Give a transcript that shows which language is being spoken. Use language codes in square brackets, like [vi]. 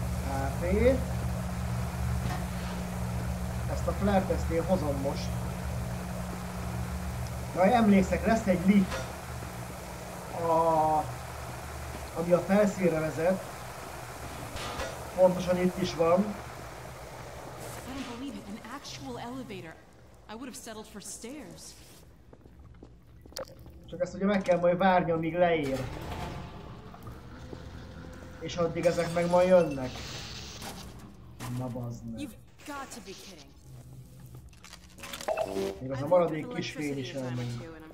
[hu] HP. Ezt a flare tesztél hozom most. Na, emlékszek, lesz egy lift, ami a felszínre vezet. Pontosan itt is van. [en] I don't believe it, an actual elevator. I would have settled for stairs. [hu] Csak ezt ugye meg kell majd várni, amíg leér. És addig ezek meg majd jönnek. Na bazdnek. [en] You've got to be kidding. [hu] Még az a maradék kis fény is elmegy.